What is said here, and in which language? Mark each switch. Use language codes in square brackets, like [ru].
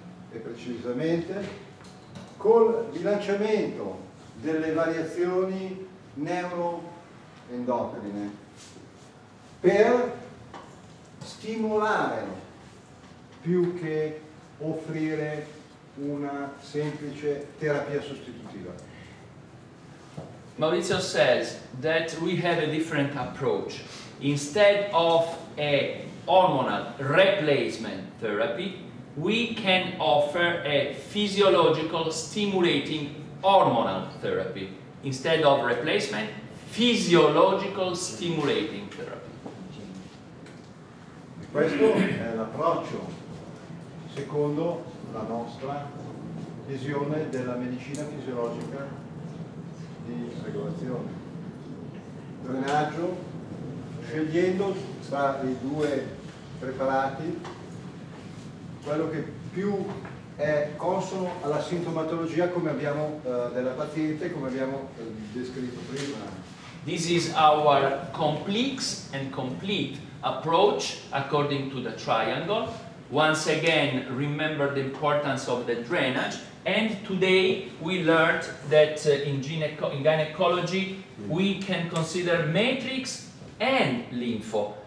[it] E precisamente col bilanciamento delle variazioni neuroendocrine per stimolare più che offrire una semplice terapia sostitutiva. [en] Maurizio says that we have a different approach. Instead of a hormonal replacement therapy, we can offer a physiological stimulating hormonal therapy. Instead of replacement, physiological stimulating therapy. [it] Questo è l'approccio secondo la nostra visione della medicina fisiologica di regolazione. Drenaggio, scegliendo tra i due preparati quello che più è consono alla sintomatologia come abbiamo della paziente, come abbiamo descritto prima. [en] This is our complex and complete approach according to the triangle. Once again, remember the importance of the drainage. And today we learned that in gynecology we can consider matrix and lympho.